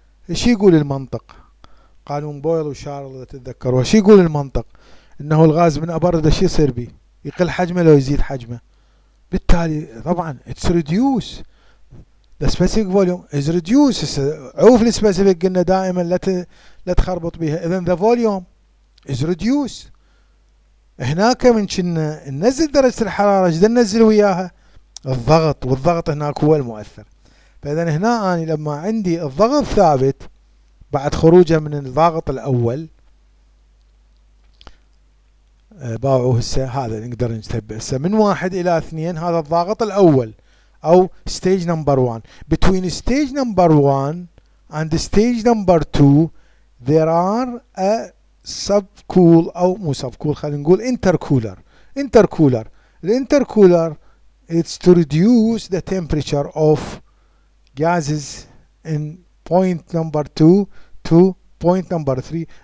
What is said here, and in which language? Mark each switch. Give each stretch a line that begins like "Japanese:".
Arabic: ايش يقول المنطق؟ قانون بويل وشارل اذا تتذكروا، ايش يقول المنطق؟ انه الغاز من ابرده ايش يصير به؟ يقل حجمه لو يزيد حجمه، بالتالي طبعا
English: Its reduce The specific volume is reduced.
Arabic: عوف الاسبيسيفيك قلنا دائما لا تخربط بها.
English: إذن the volume is reduced.
Arabic: هناك من كنا ننزل درجة الحرارة، جدا ننزل وياها الضغط، والضغط هناك هو المؤثر. فإذن هنا أنا لما عندي الضغط ثابت بعد خروجه من الضغط الأول، باعوا هسه هذا نقدر نثبت هسه من 1 إلى 2 هذا الضاغط الأول أو stage number 1.
English: between stage number 1 and stage number 2 there are a subcool
Arabic: أو مو
English: subcool
Arabic: خلينا نقول
English: intercooler. intercooler the intercooler it's to reduce the temperature of gases in point number 2 to point number 3.